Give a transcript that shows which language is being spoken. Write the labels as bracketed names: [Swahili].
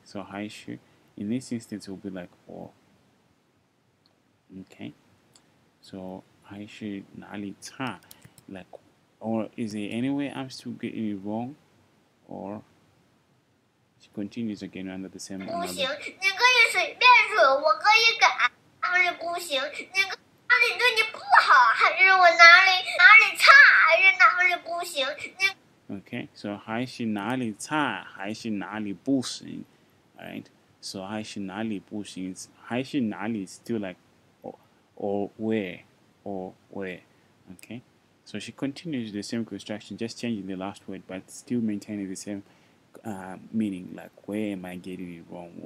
[English] So Haishu, in this instance, will be like or. Okay, so Haishu Nali Ta, like, or is there any way I'm still getting it wrong, or? She continues again under the same. [Chinese] 不行，你可以随便说，我可以改，还是不行。你哪里对你不好，还是我哪里差，还是哪里不行？ [English] Okay, so [Chinese] 还是哪里差，还是哪里不行, [English] right? So [Chinese] 还是哪里不行, 还是哪里 [English] is still like, or where, okay? So she continues the same construction, just changing the last word, but still maintaining the same meaning, like, where am I getting it wrong?